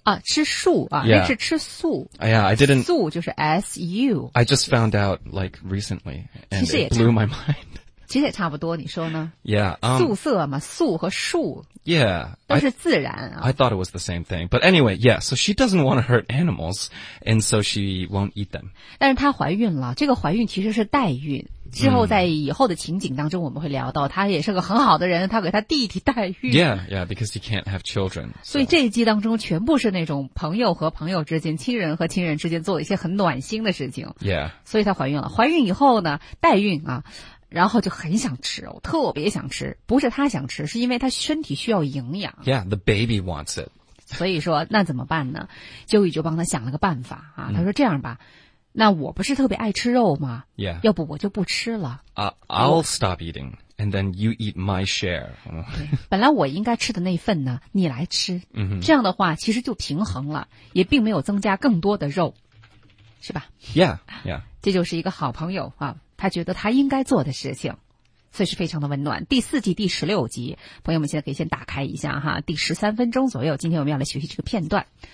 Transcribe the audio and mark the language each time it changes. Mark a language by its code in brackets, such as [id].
[zh] 啊吃树啊那、是吃素。素就是 SU。 [en] I just found out like recently, and it blew my mind. [zh] 其实也差不多你说呢 [en] Yeah,、 [zh] 素色嘛素和树。 [en] Yeah, [zh] 都是自然啊。 [en] I thought it was the same thing. But anyway, yeah, so she doesn't want to hurt animals, and so she won't eat them. [zh] 但是她怀孕了，这个怀孕其实是代孕。之后在以后的情景当中我们会聊到她也是个很好的人，她给她弟弟代孕。 [en] Yeah, yeah, because he can't have children. So. [zh] 所以这一季当中全部是那种朋友和朋友之间，亲人和亲人之间做一些很暖心的事情。 [en] Yeah. [zh] 所以她怀孕了。怀孕以后呢，代孕啊。然后就很想吃肉，特别想吃。不是他想吃，是因为他身体需要营养。 [en] Yeah, the baby wants it. [zh] 所以说，那怎么办呢？Joey就帮他想了个办法啊。他说这样吧，那我不是特别爱吃肉吗 [en] ？Yeah. [zh] 要不我就不吃了。 [en] I'll stop eating, and then you eat my share. [zh] 本来我应该吃的那份呢，你来吃。这样的话，其实就平衡了，也并没有增加更多的肉，是吧 [en] ？Yeah, yeah. [zh] 这就是一个好朋友啊。他觉得他应该做的事情，所以是非常的温暖。第四季第十六集，朋友们现在可以先打开一下哈，第十三分钟左右，今天我们要来学习这个片段。